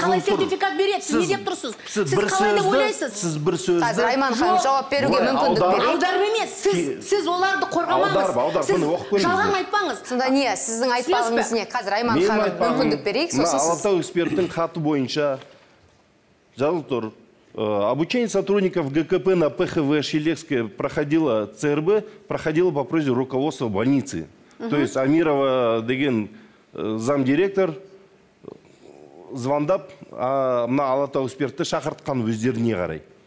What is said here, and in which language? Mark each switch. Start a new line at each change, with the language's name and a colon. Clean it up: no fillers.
Kazakh: Қалай сертификат береді? Не деп тұрсыз? Сіз қалай деп ойлайсыз? Сіз бір сөзді... Қазір Айман ханым жауап беруге мүмкіндік берді. Аударып емес, сіз оларды қорғамаңыз. Сіз жалған айтпаңыз. Сонда не, сіздің айтпағыңыз не? Қазір Айман ханым мүмкіндік берейік. Алатау эксперттің хаты бойынша жазылып тұр.
Russian: Обучение сотрудников ГКП на ПХВ Шелекская проходило ЦРБ, проходило по просьбе руководства больницы. То есть
Kazakh: Амирова деген замдиректор звандап, а мына Алатау эксперты шақыртқан өздеріне қарай.